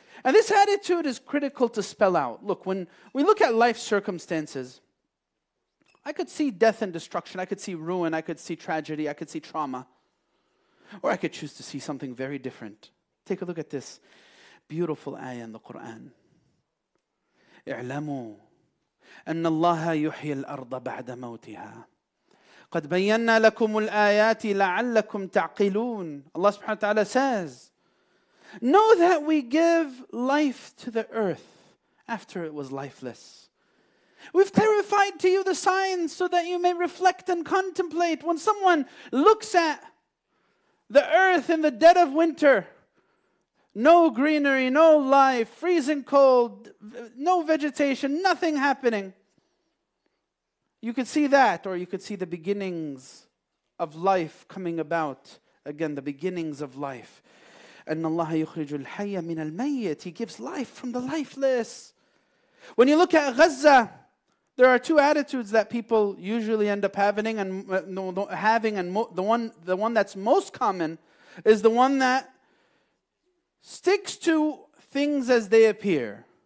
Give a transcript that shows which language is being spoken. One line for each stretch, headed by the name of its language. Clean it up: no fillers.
English: And this attitude is critical to spell out. Look, when we look at life circumstances, I could see death and destruction. I could see ruin. I could see tragedy. I could see trauma. Or I could choose to see something very different. Take a look at this beautiful ayah in the Quran.
Arabic: اعلموا أن الله يحيي الأرض بعد موتها قد بينا لكم الآيات لعلكم تعقلون.
English: Allah subhanahu wa ta'ala says, know that we give life to the earth after it was lifeless. We've clarified to you the signs so that you may reflect and contemplate. When someone looks at the earth in the dead of winter, no greenery, no life, freezing cold, no vegetation, nothing happening. You could see that, or you could see the beginnings of life coming about. Again, the beginnings of life.
Arabic: And Allah يخرج الحي من الميت.
English: He gives life from the lifeless. When you look at Gaza, there are two attitudes that people usually end up having, and the one that's most common is the one that sticks to things as they appear.